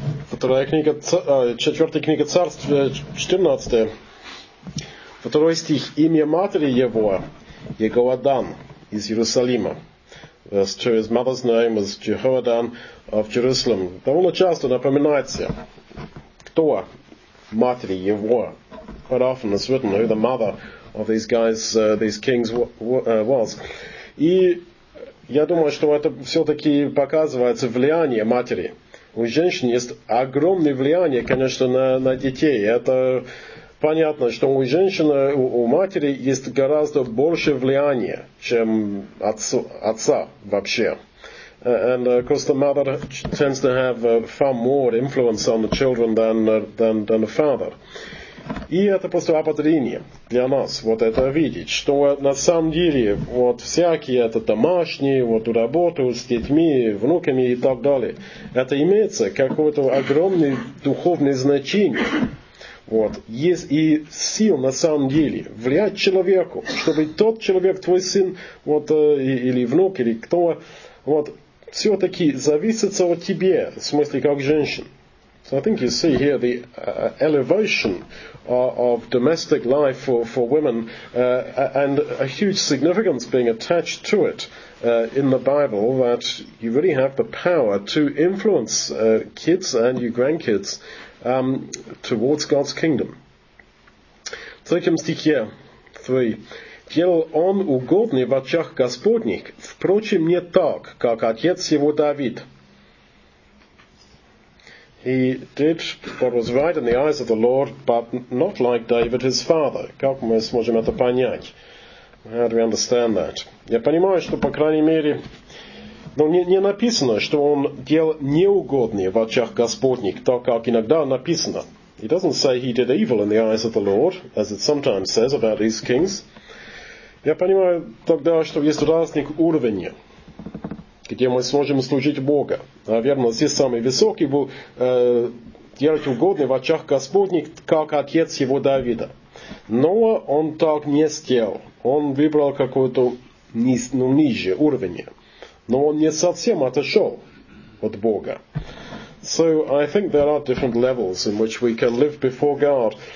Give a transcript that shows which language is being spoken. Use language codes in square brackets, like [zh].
[ru] Вторая книга, четвертая книга Царств, 14. Второй стих. Имя матери его Егоадан из Иерусалима. Через мы знаем из Егоадан в Иерусалим. Довольно часто напоминается, кто матери его. [en] Quite often it's written who the mother of these guys, these kings was. [ru] И я думаю, что это все-таки показывается влияние матери. У женщин есть огромное влияние, конечно, на детей. Это понятно, что у женщины, у матери есть гораздо больше влияния, чем отца вообще. [en] And of course, the mother tends to have far more influence on the children than the father. [ru] И это просто ободрение для нас, вот это видеть, что на самом деле вот всякие это домашние, вот работу с детьми, внуками и так далее, это имеется какое-то огромное духовное значение. Вот. Есть и сил на самом деле влиять человеку, чтобы тот человек, твой сын, вот, или внук, или кто, вот, все-таки зависит от тебя, в смысле как женщин. [en] So I think you see here the elevation of domestic life for women and a huge significance being attached to it in the Bible, that you really have the power to influence kids and your grandkids towards God's kingdom. [ru] В третьем стихе 3. Делал он угодный в очах Господних, впрочем, не так, как отец его Давид. [en] He did what was right in the eyes of the Lord, but not like David his father. [ru] Как мы сможем это понять? [en] How do we understand that? [ru] Я понимаю, что, по крайней мере, ну, не написано, что он делал неугодный в очах Господних, так как иногда написано. [en] It doesn't say he did evil in the eyes of the Lord, as it sometimes says about these kings. [ru] Я понимаю тогда, что есть разные уровни, где мы сможем служить Бога. Наверное, здесь самый высокий был делать угодный в очах Господних, как отец его Давида. Но он так не сделал. Он выбрал какой-то ниже уровень. Но он не совсем отошел от Бога. [en] So I think there are different levels in which we can live before God.